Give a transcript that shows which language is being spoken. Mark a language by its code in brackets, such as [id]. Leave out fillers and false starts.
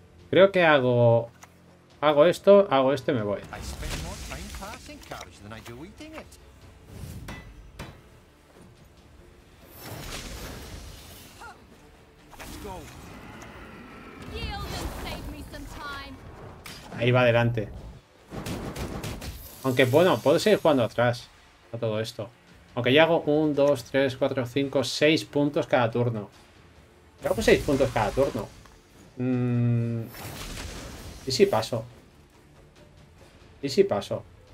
[es] Creo que hago esto y me voy. [en] I spend more time passing cabbage than I do eating it. Let's go. Yield and save me some time. [es] Ahí va adelante. Aunque bueno, puedo seguir jugando atrás a todo esto. Aunque ya hago 1, 2, 3, 4, 5, 6 puntos cada turno. Yo hago 6 puntos cada turno. ¿Y si paso? ¿Y si paso?